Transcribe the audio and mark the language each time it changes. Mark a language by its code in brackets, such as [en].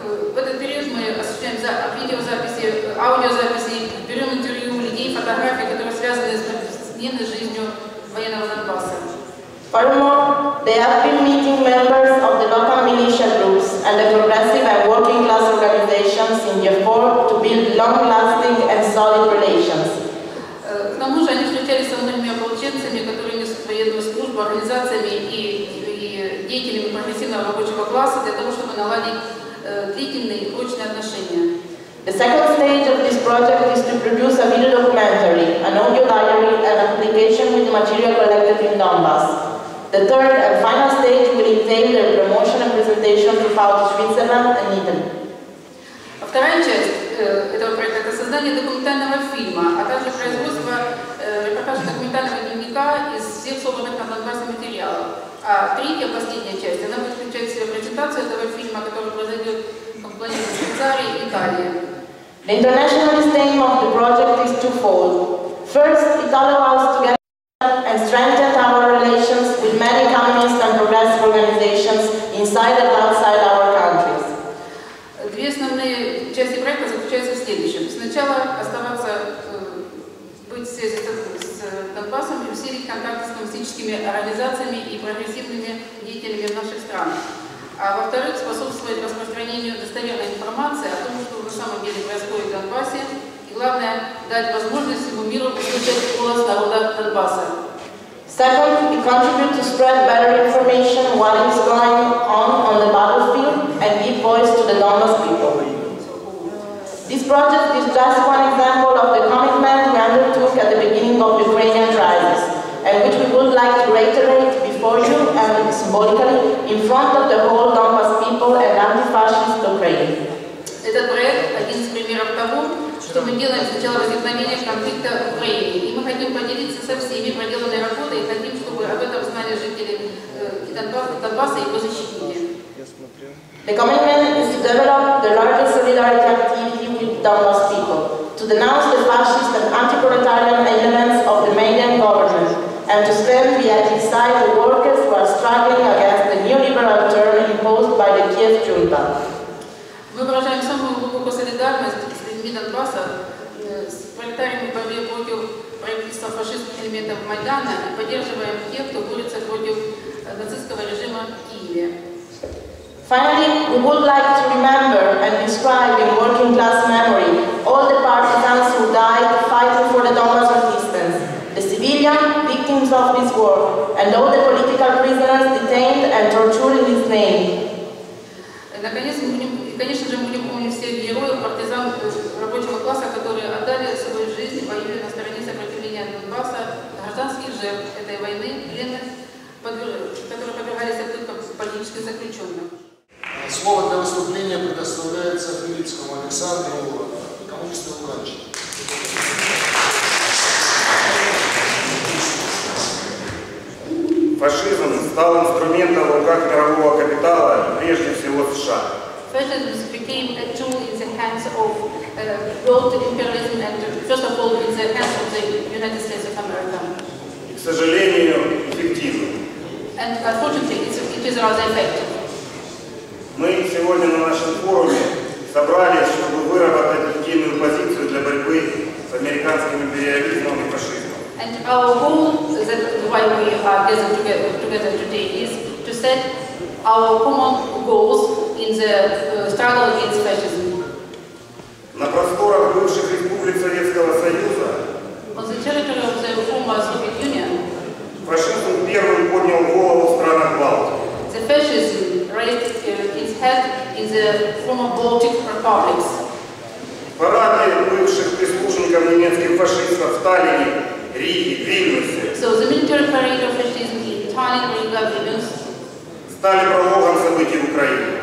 [ru] В этот период мы осуществляем видеозаписи, аудиозаписи, берем интервью людей, фотографии, которые связаны с дневной жизнью военного Донбасса. [en] Furthermore, they have been meeting members of the local militia groups and the progressive and working class organizations in the effort to build long-lasting and solid relations. [ru] К тому же они встречались с многими ополченцами, которые несут военную службу, организациями и деятелями прогрессивного рабочего класса для того, чтобы наладить длительные и прочные отношения. [en] The second stage of this project is to produce a video documentary, an audio diary, and an application with material collected in Donbass. The third and final stage will entail their promotion and presentation throughout Switzerland and Italy. [ru] Вторая часть этого проекта – это создание документального фильма, а также производство репортажа документального дневника из всех собранных на Донбассе материалов. А третья, последняя часть, она будет включать в себя презентацию этого фильма, который произойдет в планете Швейцарии и Италии. [en] The internationalist aim of the project is twofold. First, it allows us to get and strengthen our relations with many communist and progressive organizations inside and outside our countries. [ru] Две основные части проекта заключаются в следующем. Сначала оставаться, быть в связи с Донбассом и усилить контакты с коммунистическими организациями и прогрессивными деятелями в наших странах. А во-вторых, способствовать распространению достоверной информации о том, что на самом деле происходит в Донбассе. И главное, дать возможность всему миру услышать голос народа Донбасса. [en] Second, we contribute to spread better information what is going on the battlefield and give voice to the Donbass people. This project is just one example of the commitment we undertook at the beginning of the Ukrainian crisis, and which we would like to reiterate before you and symbolically in front of the whole Donbass people and anti-fascist Ukraine. [ru] Этот проект – один из примеров того, что мы делаем с начала возникновения конфликта в Украине. И мы хотим поделиться со всеми проделанной работой и хотим, чтобы об этом знали жители Донбасса и его защитники. [en] The commitment is to develop the larger solidarity activity with Donbass people, to denounce the fascist and anti-proletarian elements of the Romanian government, and to stand beside the workers who are struggling against the neoliberal term imposed by the Kiev junta. [ru] Мы выражаем самую глубокую солидарность с людьми Донбасса, с пролетариями в борьбе против правительства фашистских элементов Майдана и поддерживаем тех, кто борется против нацистского режима в Киеве. [en] Finally, we would like to remember and describe in working class memory all the partisans who died fighting for the Donbass resistance, the civilian victims of this war, and all the political prisoners detained and tortured in his name. [ru] Конечно же, мы будем помнить всех героев, партизан рабочего класса, которые отдали свою жизнь, воюя на стороне сопротивления Донбасса, гражданских жертв этой войны, пленных, которые подвергались отпускам политических заключенных. Слово для выступления предоставляется Хмельницкому Александру Уланову, коммунисту Уланчу. Фашизм стал инструментом в руках мирового капитала, прежде всего США. [en] Fascism became a tool in the hands of world imperialism and first of all in the hands of the United States of America. [ru] И, к сожалению, эффективно. [en] And unfortunately, it is rather effective. [ru] Мы сегодня на нашем форуме собрались, чтобы выработать единую позицию для борьбы с американским империализмом и фашизмом. [en] And our goal, that's why we are gathered together today, is to set our common goals in the struggle against fascism. [ru] На просторах бывших республик Советского Союза, [en] on the territory of the former Soviet Union, [ru] фашизм первым поднял голову в странах Балтии. [en] The fascism raised its head in the former Baltic republics. [ru] Парады бывших прислужников немецких фашистов в Таллине, Риге, Вильнюсе. [en] So the military parade of fascism in Tallinn, Riga, Vilnius [ru] стали прологом событий в Украине.